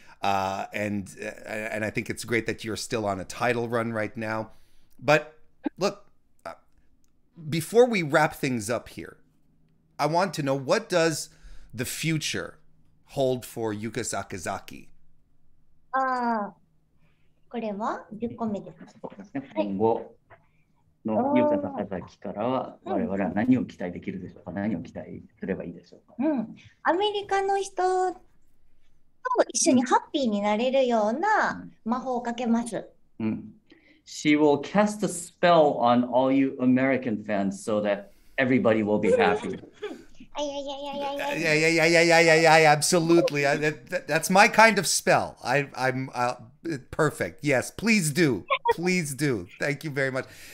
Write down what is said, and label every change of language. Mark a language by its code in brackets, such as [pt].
[en] And I think it's great that you're still on a title run right now. But look, before we wrap things up here, I want to know, what does the future hold for Yuka Sakazaki? [ja] これは10個目です。今後のユカ・サカザキからは我々は何を期待できるでしょうか、何を期待すればいいでしょうか。うん、アメリカの人と一緒にハッピーになれるような魔法をかけます。うん。 [en] She will cast a spell on all you American fans so that everybody will be happy. Yeah, absolutely. That's my kind of spell. I'm perfect. Yes, please do. Please do. Thank you very much.